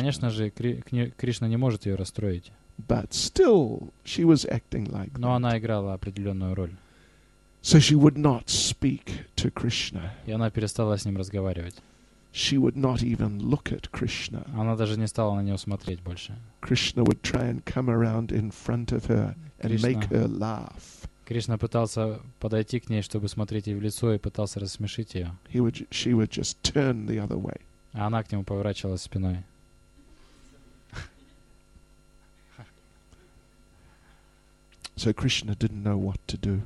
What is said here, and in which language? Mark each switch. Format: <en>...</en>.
<ru>Конечно же, Кришна не может ее расстроить.</ru> <en>But still, she was acting like.</en> <ru>Но она играла определенную роль.</ru> <en>So she would not speak to Krishna.</en> <ru>И она перестала с ним разговаривать.</ru> <en>She would not even look at Krishna.</en> <ru>Она даже не стала на него смотреть больше.</ru> <en>Krishna would try and come around in front of her and make her laugh.</en> <ru>Кришна пытался подойти к ней, чтобы смотреть ей в лицо, и пытался рассмешить ее.</ru> <en>She would just turn the other way.</en> <ru>А она к нему поворачивалась спиной.</ru> <en>So Krishna didn't know what to do.</en>